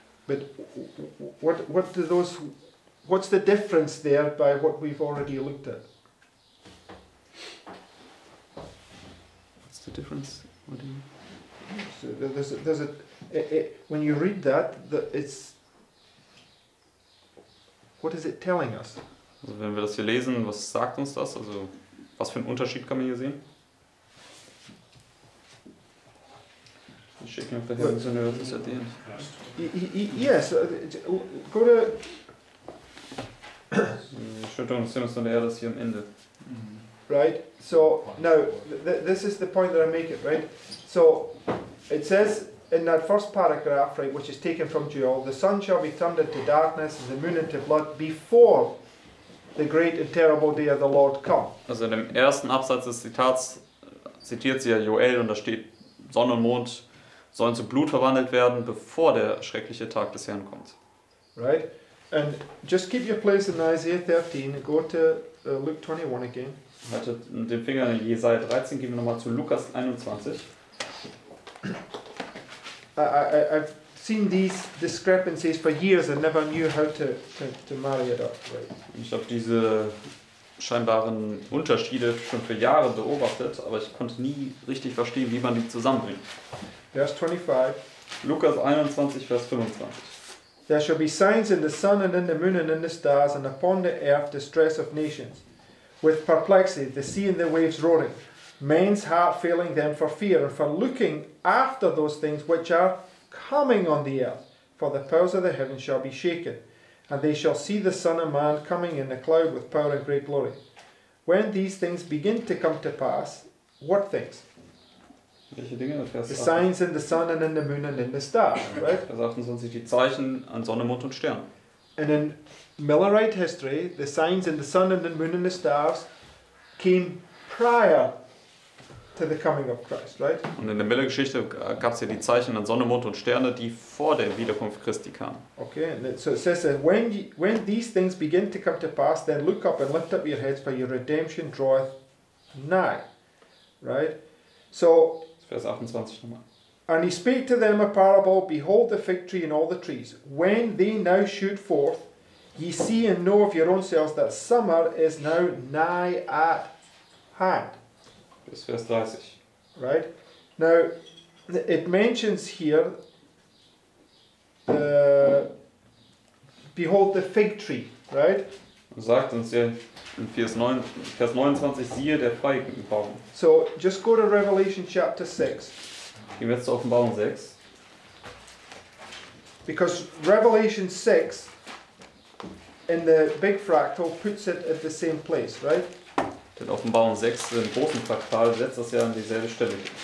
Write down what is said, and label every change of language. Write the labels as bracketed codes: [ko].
[en] But what do those? What's the difference there by what we've already looked at? What's the difference? What do you? So there's a when you read that, it's. What is it telling us? [de] Also wenn wir das hier lesen, was sagt uns das? Also was für einen Unterschied kann man hier sehen? Ich schicke ihn auf der Hinsen, was ist er denn? [en] Yes, go to... [de] Die Schüttung des Himmels und der Erde ist hier am Ende. [en] Right, so now, this is the point that I make it, right? So, it says... In that first paragraph, right, which is taken from Joel, the sun shall be turned into darkness and the moon into blood before the great and terrible day of the Lord come. [de] Also in dem ersten Absatz des Zitats zitiert sie ja Joel und da steht, Sonne und Mond sollen zu Blut verwandelt werden, bevor der schreckliche Tag des Herrn kommt. [en] Right? And just keep your place in Isaiah 13, go to Luke 21 again. [de] Haltet den Finger in Jesaja 13, gehen wir nochmal zu Lukas 21. [en] I've seen these discrepancies for years and never knew how to marry it up. Right. [de] Ich habe diese scheinbaren Unterschiede schon für Jahre beobachtet, aber ich konnte nie richtig verstehen, wie man die zusammenbringt. Vers 25. Lukas 21, Vers 25. [en] There shall be signs in the sun and in the moon and in the stars and upon the earth distress of nations, with perplexity the sea and the waves roaring. Men's heart failing them for fear and for looking after those things which are coming on the earth. For the powers of the heavens shall be shaken, and they shall see the Son of Man coming in the cloud with power and great glory. When these things begin to come to pass, what things? [de] Welche Dinge? [en] The signs in the sun and in the moon and in the stars, right? [de] Vers 28, die Zeichen an Sonne, Mond und Stern. [en] And in Millerite history, the signs in the sun and the moon and the stars came prior to the coming of Christ, right? [de] Und in der Miller-Geschichte gab es ja die Zeichen an Sonne, Mond und Sterne, die vor der Wiederkunft Christi kamen. [en] Okay, so it says that when these things begin to come to pass, then look up and lift up your heads, for your redemption draweth nigh. Right? So, [de] Vers 28 nochmal. [en] And he spake to them a parable, behold the fig tree and all the trees. When they now shoot forth, ye see and know of your own selves that summer is now nigh at hand. [de] Bis Vers 30. [en] Right. Now, it mentions here, behold the fig tree, right? [de] Sagt uns hier in Vers 29, siehe der Feigenbaum. [en] So, just go to Revelation chapter 6. [de] Gehen wir jetzt zu Offenbarung 6. [en] Because Revelation 6, in the big fractal, puts it at the same place, right? [de] Denn Offenbarung 6 im großen Fraktal setzt das ja an dieselbe Stelle.